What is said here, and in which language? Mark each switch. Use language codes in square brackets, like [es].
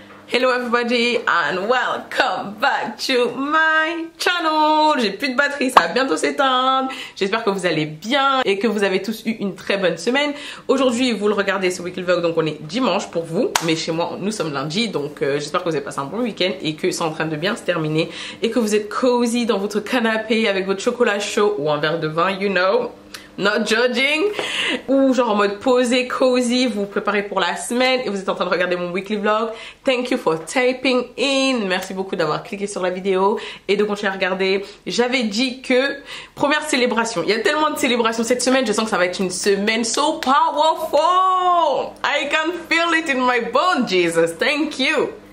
[en] Hello everybody and welcome back to my channel. [fr] J'ai plus de batterie, ça va bientôt s'éteindre. J'espère que vous allez bien et que vous avez tous eu une très bonne semaine. Aujourd'hui, vous le regardez, ce weekly vlog, donc on est dimanche pour vous, mais chez moi, nous sommes lundi, donc j'espère que vous avez passé un bon week-end et que c'est en train de bien se terminer et que vous êtes cozy dans votre canapé avec votre chocolat chaud ou un verre de vin, [en] you know. Not judging, [fr] ou genre en mode posé, cozy, vous vous préparez pour la semaine et vous êtes en train de regarder mon weekly vlog. [en] Thank you for typing in, [fr] merci beaucoup d'avoir cliqué sur la vidéo et de continuer à regarder. J'avais dit que, première célébration, il y a tellement de célébrations cette semaine, je sens que ça va être une semaine [en] so powerful. I can feel it in my bones, Jesus, thank you.